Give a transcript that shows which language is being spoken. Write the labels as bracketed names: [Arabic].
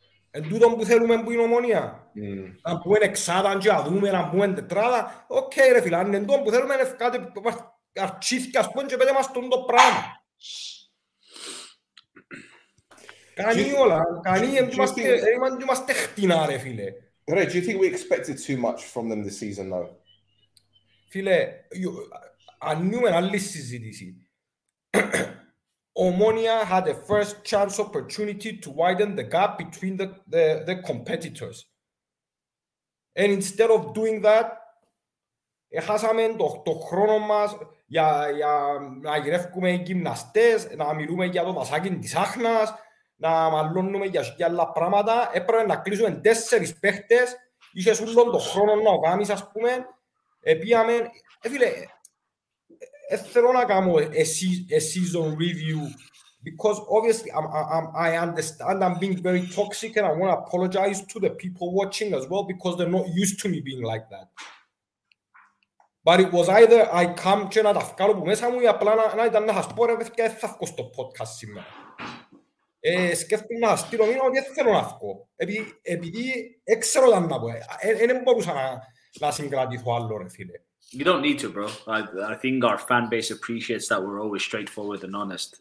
[Greek] Εν τούτο που θέλουμε που είναι ομόνια. Αν πούμε εξάδα, αν δούμε, αν πούμε τετράδα. Οκ, ρε φίλε, αν εν τούτο που θέλουμε είναι κάτι αρχίθηκε, ας πούμε, και πέντε μας τον το πράγμα. Κανεί όλα, κανεί, είμαστε χτινά, ρε φίλε. Ρε, [English] do you think we expected too much from them this season, though? [Greek] Φίλε, ανοίγουμε άλλη συζήτηση. [English] Ομόνια had a first chance opportunity to widen the gap between the competitors. And instead of doing that, [Greek] έχασαμε το χρόνο μας για να γυρεύουμε γυμναστές, να μιλούμε για το δασάκι της Άχνας, να μαλώνουμε για άλλα πράγματα. Έπρεπε να κλείσουμε 4 παίχτες, είχες όλο το χρόνο να κάνεις, ας πούμε. Επίαμε, φίλε, θέλω να κάνω [English] a season review, because obviously I understand I'm being very toxic and I want to apologize to the people watching as well, because they're not used to me being like that. But it was either I come [Greek] και να τα βγάλω που μέσα μου ή απλά να ήταν να σας πω ρε παιδιά, θα βγω στο podcast σήμερα. Σκέφτομαι να στείλω μήνα ότι δεν θέλω να βγω. Επειδή έξερω τα να πω. Δεν μπορούσα να συγκρατηθώ άλλο ρε φίλε. [English] You don't need to, bro. I think our fan base appreciates that we're always straightforward and honest.